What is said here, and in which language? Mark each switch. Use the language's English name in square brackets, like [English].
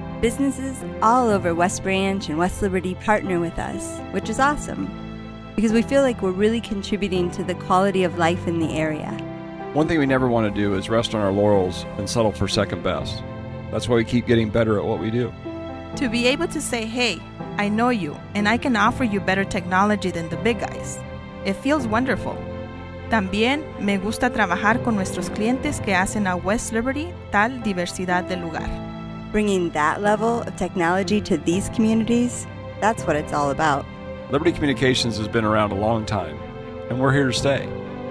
[English] Businesses all over West Branch and West Liberty partner with us, which is awesome, because we feel like we're really contributing to the quality of life in the area. One thing we never want to do is rest on our laurels and settle for second best. That's why we keep getting better at what we do. To be able to say, hey, I know you, and I can offer you better technology than the big guys, it feels wonderful. [Spanish] También me gusta trabajar con nuestros clientes que hacen a West Liberty tal diversidad de lugar. [English] Bringing that level of technology to these communities, that's what it's all about. Liberty Communications has been around a long time, and we're here to stay.